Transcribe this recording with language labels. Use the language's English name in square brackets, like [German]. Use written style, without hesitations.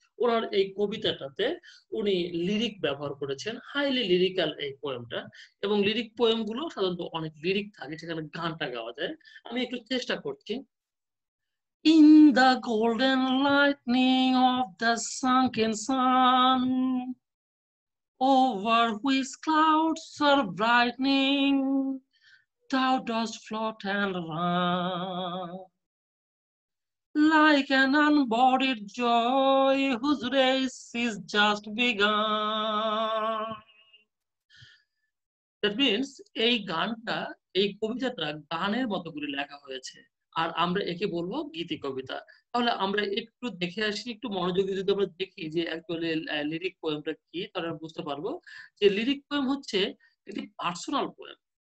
[Bangla] ওনার এই কবিতাটাতে উনি লিরিক ব্যবহার করেছেন, হাইলি লিরিক্যাল এই পোয়েমটা। এবং লিরিক পোয়েম গুলো সাধারণত অনেক লিরিক থাকে, সেখানে গানটা গাওয়া যায়। আমি একটু চেষ্টা করছি। [English] In the golden lightning of the sunken sun, over whose clouds are brightening, thou dost float and run. Like an unbodied joy whose race is just begun. That means [Bangla] এই গানটা, এই কবিতাটা গানের মতো করে লেখা হয়েছে, আর আমরা একে বলবো গীতি কবিতা। তাহলে আমরা একটু দেখে আসি, একটু মনোযোগী যদি আমরা দেখি যে অ্যাকচুয়ালি লিরিক পোয়েমটা কি, তাহলে বুঝতে পারবো যে লিরিক পোয়েম হচ্ছে একটি পার্সোনাল পোয়েম।